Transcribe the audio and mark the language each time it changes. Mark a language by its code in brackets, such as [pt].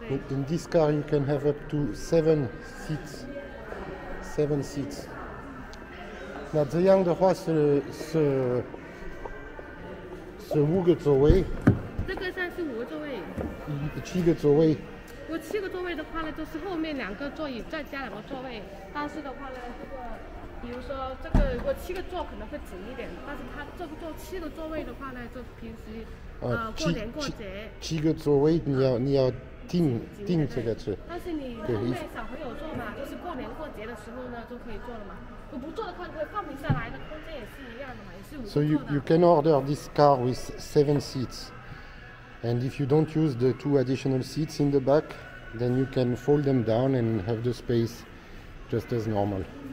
[en] In this car, you can have up to 7 seats. 7 seats. [zh] 那这样的话是是是五个座位。这个算是五个座位。七个座位。我七个座位的话呢，就是后面两个座椅再加两个座位。但是的话呢，比如说这个如果七个座可能会紧一点，但是它这个座七个座位的话呢，就平时。过年过节七个座位你要订这个车，但是你后面小朋友坐嘛，就是过年过节的时候呢就可以坐了嘛，我不坐的话可以放平下来的，空间也是一样的嘛，也是无 [en] 所以 you can order this car with 7 seats, and if you don't use the 2 additional seats in the back, then you can fold them down and have the space just as normal.